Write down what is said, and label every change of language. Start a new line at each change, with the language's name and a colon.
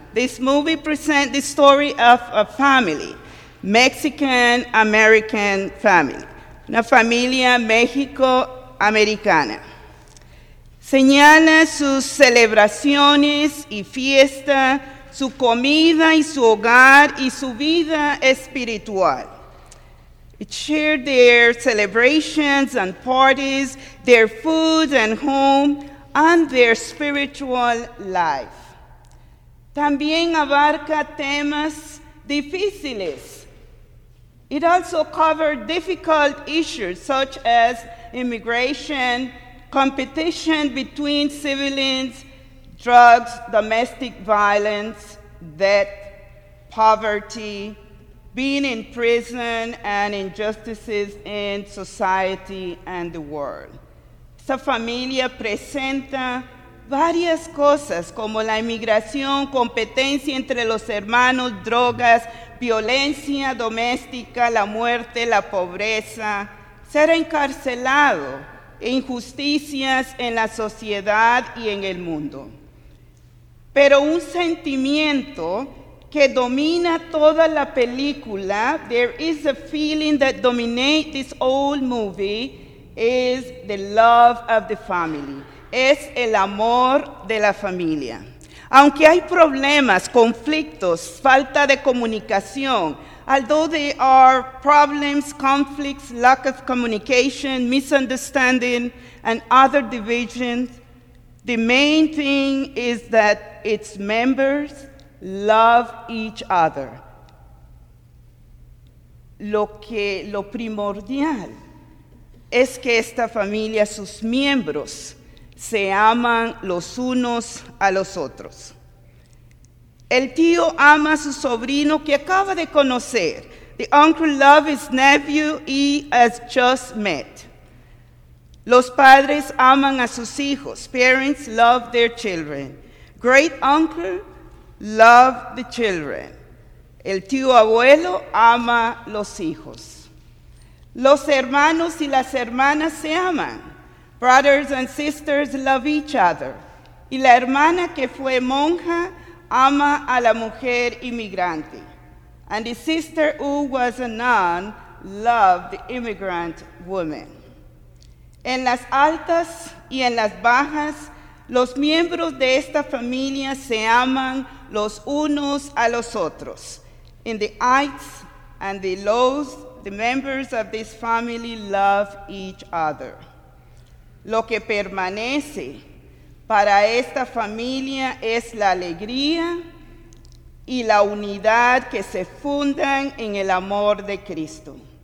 English: This movie presents the story of a family, Mexican-American family,
Spanish: una familia mexico-americana. Señala sus celebraciones y fiestas, su comida y su hogar y su vida espiritual.
English: It shared their celebrations and parties, their food and home, and their spiritual life.
Spanish: También abarca temas difíciles.
English: It also covered difficult issues such as immigration, competition between civilians, drugs, domestic violence, debt, poverty, being in prison, and injustices in society and the world.
Spanish: Esta familia presenta varias cosas, como la inmigración, competencia entre los hermanos, drogas, violencia doméstica, la muerte, la pobreza, ser encarcelado, injusticias en la sociedad y en el mundo. Pero un sentimiento que domina toda la película,
English: there is a feeling that dominates this old movie, is the love of the family.
Spanish: Es el amor de la familia. Aunque hay problemas, conflictos, falta de comunicación,
English: although there are problems, conflicts, lack of communication, misunderstanding, and other divisions, the main thing is that its members love each other.
Spanish: Lo primordial es que esta familia, sus miembros, se aman los unos a los otros. El tío ama a su sobrino que acaba de conocer.
English: The uncle loves his nephew he has just met.
Spanish: Los padres aman a sus hijos.
English: Parents love their children. Great uncle love the children.
Spanish: El tío abuelo ama los hijos. Los hermanos y las hermanas se aman.
English: Brothers and sisters love each other.
Spanish: Y la hermana que fue monja ama a la mujer inmigrante.
English: And the sister who was a nun loved the immigrant woman.
Spanish: En las altas y en las bajas, los miembros de esta familia se aman los unos a los otros.
English: In the heights and the lows, the members of this family love each other.
Spanish: Lo que permanece para esta familia es la alegría y la unidad que se fundan en el amor de Cristo.